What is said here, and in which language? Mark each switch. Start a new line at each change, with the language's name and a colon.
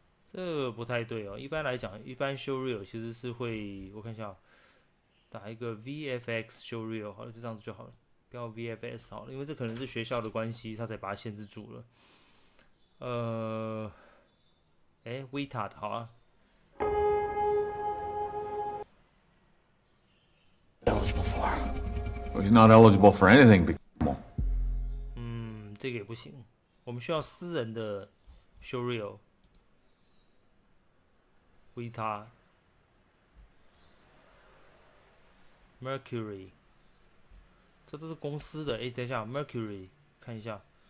Chinese: 这不太对哦。一般来讲，一般 show reel 其实是会，我看一下，打一个 VFX show reel 好了，就这样子就好了，不要 VFS 好了，因为这可能是学校的关系，他才把它限制住了。哎，Vita 的好啊。
English: He's not eligible for anything.
Chinese: 嗯，这个也不行。我们需要私人的 showreel Vita Mercury，这都是公司的。哎，等一下，Mercury，看一下。